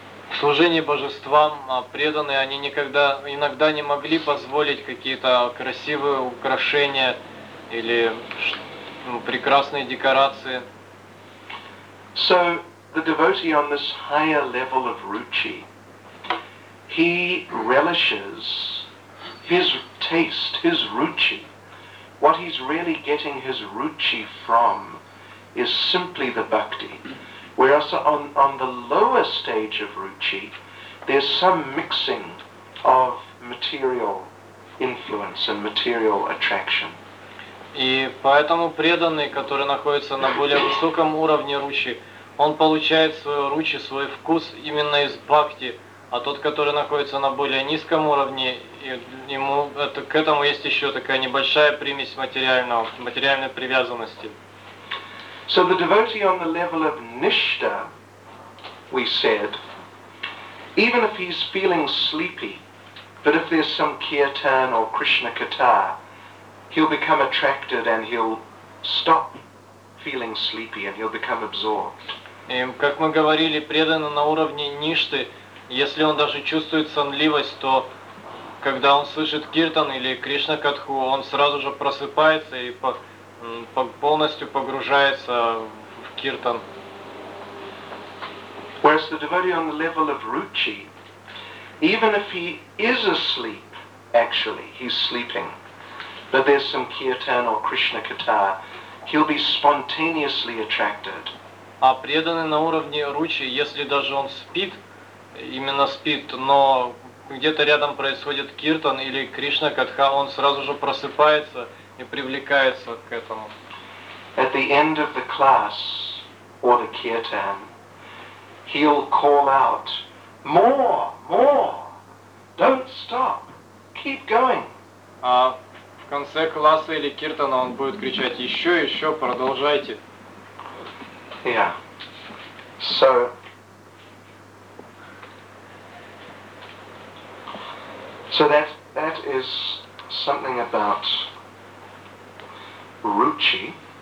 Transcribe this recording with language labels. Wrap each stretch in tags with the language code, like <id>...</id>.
<ru>В служении божествам преданные, они никогда, иногда не могли позволить какие-то красивые украшения или прекрасные декорации.</ru> <en>So, the devotee on this higher level of ruchi, he relishes his taste, his ruchi. What he's really getting his ruchi from is simply the bhakti. Whereas on the lower stage of ruchi, there's some mixing of material influence and material attraction.</en> <ru>И поэтому преданный, который находится на более высоком уровне ручи, он получает свою ручи, свой вкус именно из бхакти, а тот, который находится на более низком уровне, ему это, к этому есть еще такая небольшая примесь материального, материальной привязанности.</ru> <en>So the devotee on the level of nishta, we said, even if he's feeling sleepy, but if there's some kirtan or Krishna katha, he'll become attracted and he'll stop feeling sleepy and he'll become absorbed.</en> <ru>И, как мы говорили, преданный на уровне ништы, если он даже чувствует сонливость, то когда он слышит киртан или Кришна катху, он сразу же просыпается и полностью погружается в киртан.</ru> <en>Whereas the devotee on the level of ruchi, even if he is asleep, actually, he's sleeping, but there's some kirtan or Krishna katha, he'll be spontaneously attracted.</en> <ru>А преданный на уровне ручи, если даже он спит, именно спит, но где-то рядом происходит киртан или Кришна катха, он сразу же просыпается и привлекается к этому.</ru> <en>At the end of the class or the kirtan, he'll call out, more, more, don't stop, keep going.</en> <ru>А в конце класса или киртана он будет кричать, еще, еще, продолжайте.</ru> <en>Yeah. So, that is something about ruchi.</en>